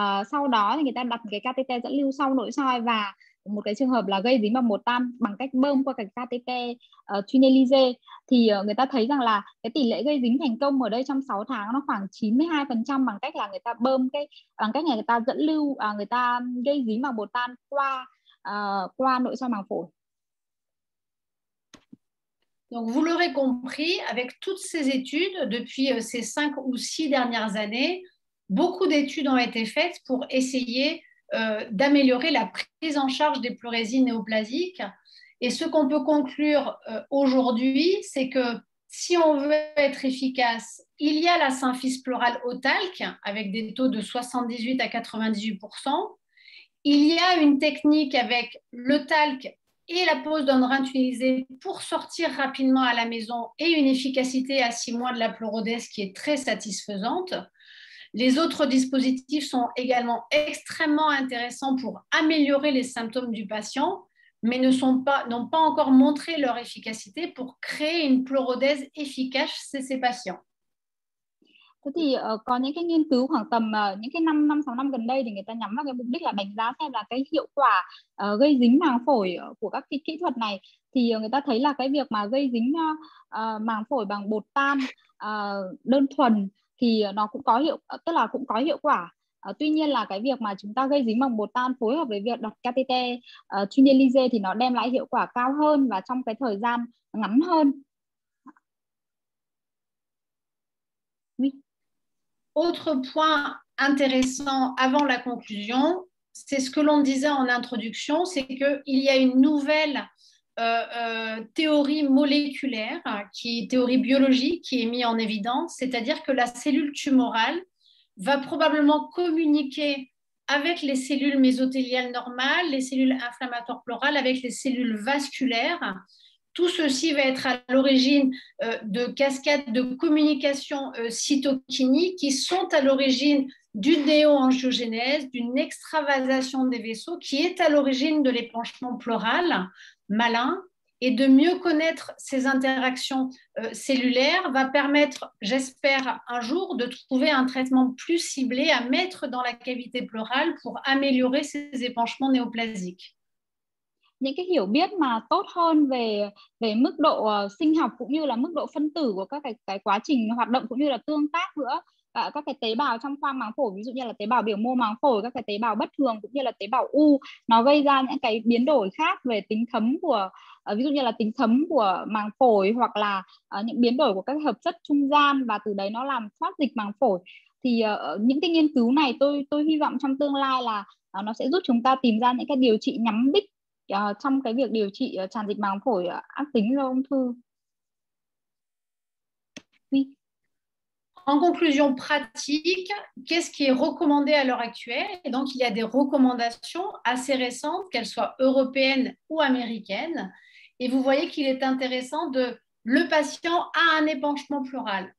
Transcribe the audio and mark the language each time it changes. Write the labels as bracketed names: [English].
[Vietnamese] Sau đó thì người ta đặt cái catheter dẫn lưu sau nội soi và một cái trường hợp là gây dính bằng bột tan bằng cách bơm qua cái catheter tunnelisé. Thì người ta thấy rằng là cái tỷ lệ gây dính thành công ở đây trong 6 tháng nó khoảng 92% bằng cách là người ta bơm cái bằng cách người ta dẫn lưu người ta gây dính bằng bột tan qua qua nội soi màng phổi. [French] Donc vous l'aurez compris, avec toutes ces études depuis ces 5 ou 6 dernières années, beaucoup d'études ont été faites pour essayer d'améliorer la prise en charge des pleurésies néoplasiques. Et ce qu'on peut conclure aujourd'hui, c'est que si on veut être efficace, il y a la symphyse pleurale au talc avec des taux de 78 à 98%. Il y a une technique avec le talc et la pose d'un drain tunnelisé pour sortir rapidement à la maison et une efficacité à 6 mois de la pleurodèse qui est très satisfaisante. Les autres dispositifs sont également extrêmement intéressants pour améliorer les symptômes du patient, mais n'ont pas encore montré leur efficacité pour créer une pleurodèse efficace chez ces patients. [Vietnamese] Thế thì có những cái nghiên cứu khoảng tầm những cái 5 năm 6 năm gần đây thì người ta nhắm vào cái mục đích là đánh giá xem là cái hiệu quả gây dính màng phổi của các kỹ thuật này, thì người ta thấy là cái việc mà gây dính màng phổi bằng bột tan đơn thuần thì nó cũng có hiệu, tức là cũng có hiệu quả. Tuy nhiên là cái việc mà chúng ta gây dính bằng bột tan phối hợp với việc đặt catheter tunnelisé thì nó đem lại hiệu quả cao hơn và trong cái thời gian ngắn hơn. [French] Oui. Autre point intéressant avant la conclusion, c'est ce que l'on disait en introduction, c'est qu'il y a une nouvelle théorie moléculaire, qui est théorie biologique, qui est mise en évidence, c'est-à-dire que la cellule tumorale va probablement communiquer avec les cellules mésothéliales normales, les cellules inflammatoires pleurales, avec les cellules vasculaires. Tout ceci va être à l'origine de cascades de communication cytokinie qui sont à l'origine d'une néoangiogénèse, d'une extravasation des vaisseaux qui est à l'origine de l'épanchement pleural malin. Et de mieux connaître ces interactions cellulaires va permettre, j'espère, un jour de trouver un traitement plus ciblé à mettre dans la cavité pleurale pour améliorer ces épanchements néoplasiques. [Vietnamese] những cái hiểu biết mà tốt hơn về về mức độ sinh học cũng như là mức độ phân tử của các cái quá trình hoạt động cũng như là tương tác nữa. Các cái tế bào trong khoang màng phổi, ví dụ như là tế bào biểu mô màng phổi, các cái tế bào bất thường cũng như là tế bào u, nó gây ra những cái biến đổi khác về tính thấm của ví dụ như là tính thấm của màng phổi, hoặc là những biến đổi của các hợp chất trung gian, và từ đấy nó làm thoát dịch màng phổi. Thì những cái nghiên cứu này tôi hy vọng trong tương lai là nó sẽ giúp chúng ta tìm ra những cái điều trị nhắm đích trong cái việc điều trị tràn dịch màng phổi ác tính do ung thư. [French] En conclusion pratique, qu'est-ce qui est recommandé à l'heure actuelle? Et donc, il y a des recommandations assez récentes, qu'elles soient européennes ou américaines. Et vous voyez qu'il est intéressant de... Le patient a un épanchement pleural.